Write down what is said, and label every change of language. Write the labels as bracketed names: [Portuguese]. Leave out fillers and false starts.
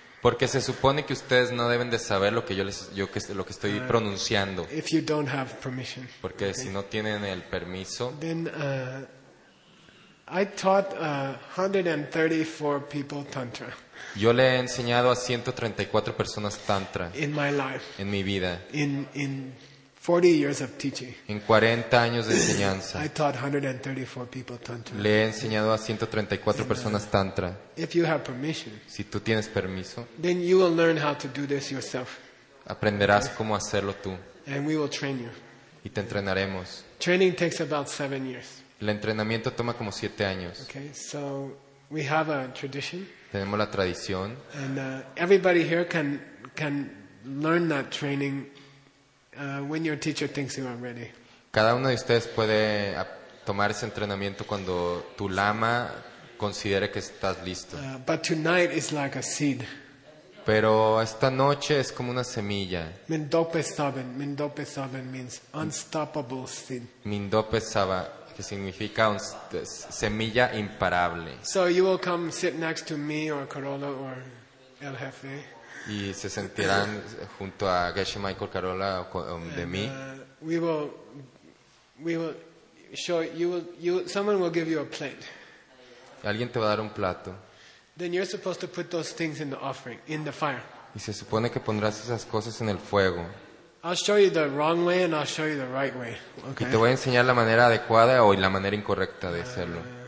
[Spanish] Porque se supone que ustedes no deben de saber lo que estoy pronunciando. [English] If you don't have permission. [Spanish] Porque okay. Si no tienen el permiso. [English] Then, I taught 134 people tantra. [Spanish] Yo le he enseñado a 134 personas tantra. [English] In my life. [Spanish] En mi vida. [English] In 40 years of teaching. [Spanish] En 40 años de enseñanza. [English] I taught 134 people tantra. [Spanish] Le he enseñado a 134 personas tantra. [English] If you have permission. [Spanish] Si tú tienes permiso. [English] Then you will learn how to do this yourself. [Spanish] Aprenderás cómo hacerlo tú. [English] And we will train you. [Spanish] Y te entrenaremos. [English] Training takes about 7 years. [Spanish] El entrenamiento toma como 7 años. [English] Okay, so we have a tradition. [Spanish] Tenemos la tradición. [English] And everybody here can learn that training when your teacher thinks you are ready. [Spanish] Cada uno de ustedes puede tomar ese entrenamiento cuando tu lama considere que estás listo. [English] But tonight is like a seed. [Spanish] Pero esta noche es como una semilla. [English] Mindope Saben. Mindope Saben means unstoppable seed. [Spanish] Mindope Saba. Que significa semilla imparable. [English] So you will come sit next to me or Carola or El Jefe. [Spanish] Y se sentirán junto a Geshe Michael, Carola o de mí. [English] We will show you. Someone will give you a plate. [Spanish] Alguien te va a dar un plato. [English] Then you're supposed to put those things in the offering, in the fire. [Spanish] Y se supone que pondrás esas cosas en el fuego. [English] I'll show you the wrong way and I'll show you the right way. Okay. [Spanish] Y te voy a enseñar la manera adecuada o la manera incorrecta de hacerlo.